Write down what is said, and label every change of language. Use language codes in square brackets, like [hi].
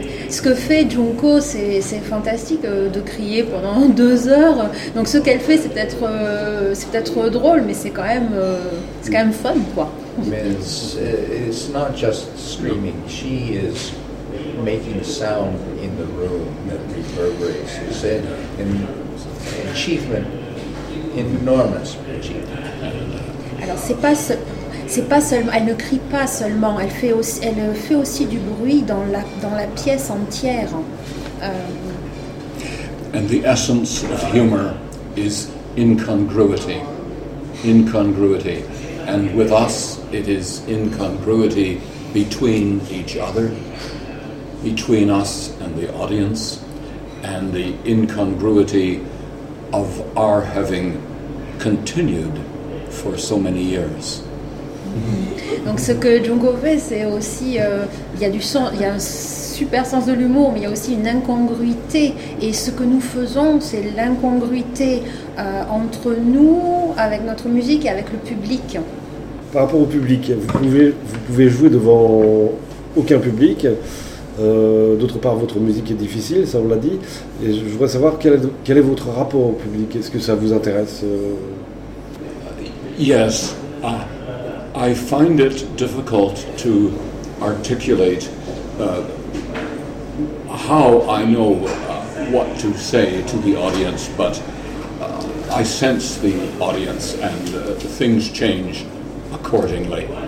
[fr] ce que fait Junko, c'est fantastique de crier pendant 2 heures. Donc ce qu'elle fait, c'est peut-être drôle, mais c'est quand même fun, quoi. Mais [en] it's not just screaming. She is making sound in the room that reverberates. It's an achievement, enormous achievement. [fr] Alors c'est pas seulement, elle ne crie pas seulement, elle fait aussi du bruit dans la pièce entière. [en] And the essence of humor is incongruity. Incongruity. And with us it is incongruity between each other, between us and the audience, and the incongruity of our having continued for so many years. [fr] Donc ce que Junko fait, c'est aussi, il y a un super sens de l'humour, mais il y a aussi une incongruité. Et ce que nous faisons, c'est l'incongruité entre nous, avec notre musique et avec le public. Par rapport au public, vous pouvez jouer devant aucun public. D'autre part, votre musique est difficile, ça on l'a dit. Et je voudrais savoir quel est votre rapport au public. Est-ce que ça vous intéresse [en] Yes. I find it difficult to articulate how I know what to say to the audience, but I sense the audience and things change accordingly.